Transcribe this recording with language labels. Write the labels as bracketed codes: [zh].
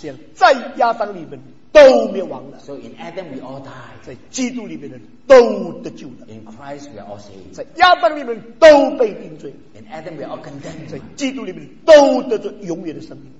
[zh] 这样在亚当里面都灭亡了 [en] So in Adam we all die [zh] 在基督里面的都得救了 [en] In Christ we are all saved [zh] 在亚当里面都被定罪 [en] In Adam we are all condemned [zh] 在基督里面都得着永远的生命